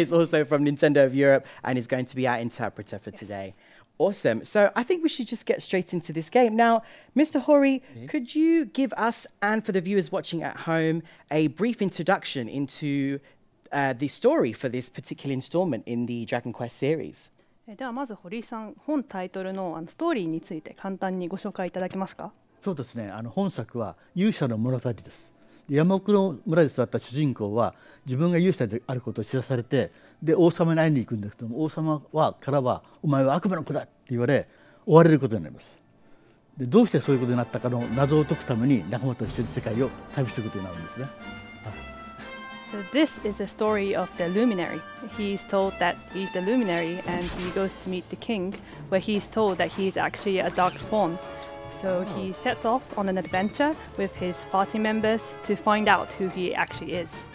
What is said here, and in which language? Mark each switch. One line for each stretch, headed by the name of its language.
English: is also from Nintendo of Europe and is going to be our interpreter for today. Awesome. So I think we should just get straight into this game. Now, Mr. Hori, could you give us, and for the viewers watching at home, a brief introduction into the story for this particular installment in the Dragon Quest series?
Japanese: ではまず堀井さん、本タイトルのストーリーについて簡単にご紹介いただけますか？そうですね。本作は勇者の物語です。山奥の村で育った主人公は自分が勇者であることを知らされて、で王様に会いに行くんですけども、王様はからはお前は悪魔の子だって言われ追われることになります。でどうしてそういうことになったかの謎を解くために仲間と一緒に世界を旅することになるんですね。
English: So this is the story of the Luminary. He is told that he is the Luminary and he goes to meet the king, where he is told that he is actually a dark spawnSo he sets off on an adventure with his party members to find out who he actually is.